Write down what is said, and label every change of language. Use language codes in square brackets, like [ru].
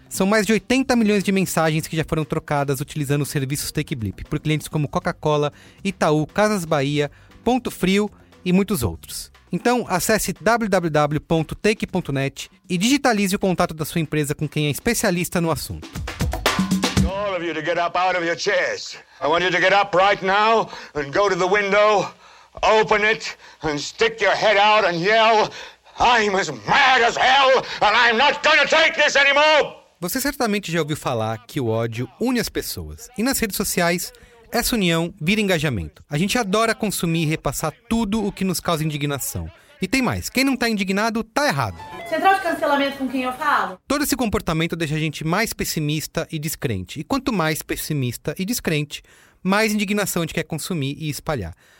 [pt] São mais de 80 milhões de mensagens que já foram trocadas utilizando os serviços TechBlip por clientes como Coca-Cola, Itaú, Casas Bahia, Ponto Frio e muitos outros. Então, acesse www.take.net e digitalize o contato da sua empresa com quem é especialista no assunto. [en] All of you to get up out of your chairs. I want you to get up right now and go to the window, open it and stick your head out and yell, I'm as mad as hell and I'm not gonna take this anymore. [pt] Você certamente já ouviu falar que o ódio une as pessoas e nas redes sociais essa união vira engajamento. A gente adora consumir e repassar tudo o que nos causa indignação. E tem mais, quem não tá indignado, tá errado. Central de cancelamento com quem eu falo? Todo esse comportamento deixa a gente mais pessimista e descrente. E quanto mais pessimista e descrente, mais indignação a gente quer consumir e espalhar.